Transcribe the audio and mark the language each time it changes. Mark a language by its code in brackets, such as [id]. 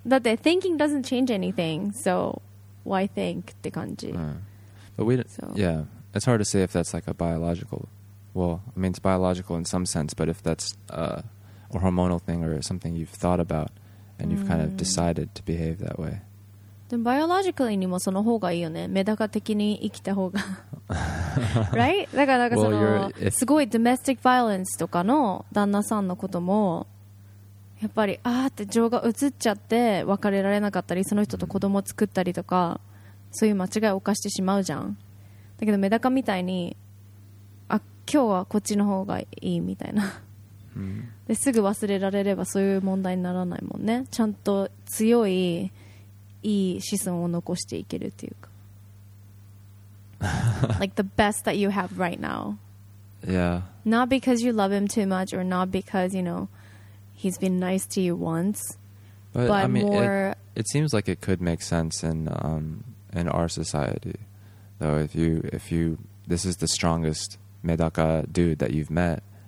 [en] That the thinking doesn't change anything, so why think? [ja] って感じ。 [en] But we... Yeah. It's hard to say if that's like a biological... Well, I mean, it's biological in some sense, but if that's a hormonal thing or something you've thought about and you've kind of decided to behave that way. [ja] でも biologically にもその方がいいよね。メダカ的に生きた方が。 [en] Right? [ja] だからなんかその、すごいドメスティックバイオレンスとかの旦那さんのことも、やっぱり、あーって情が移っちゃって別れられなかったり、その人と子供作ったりとか、そういう間違いを犯してしまうじゃん。だけどメダカみたいに、あ、今日はこっちの方がいいみたいな。で、すぐ忘れられればそういう問題にならないもんね。ちゃんと強い、いい子孫を残していけるっていうか。 [en] Like the best that you have right now. Yeah. Not because you love him too much or not because, you know, he's been nice to you once. But I mean, more... It seems like it could make sense in our society. Though if you... This is the strongest medaka dude that you've met.